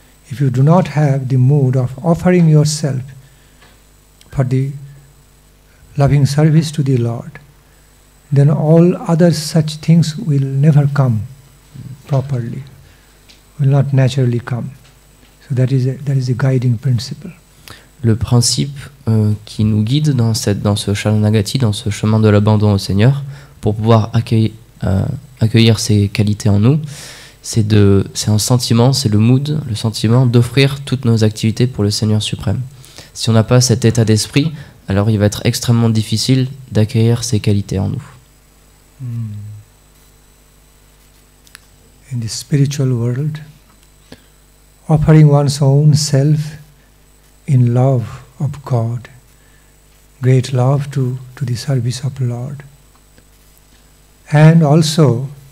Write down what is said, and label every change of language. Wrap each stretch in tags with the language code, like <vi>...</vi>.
<en>If you do not have the mood of offering yourself for the loving service to the Lord, then all other such things will never come properly, will not naturally come. So that is the guiding principle.</en> <fr>Le principe qui nous guide dans ce Sharanagati, dans ce chemin de l'abandon au Seigneur, pour pouvoir accueillir ces qualités en nous, c'est le sentiment d'offrir toutes nos activités pour le Seigneur suprême. Si on n'a pas cet état d'esprit, alors il va être extrêmement difficile d'accueillir ces qualités en nous.</fr> <en>In the spiritual world, offering one's own self in love of God, great love to the service of Lord, and also</en>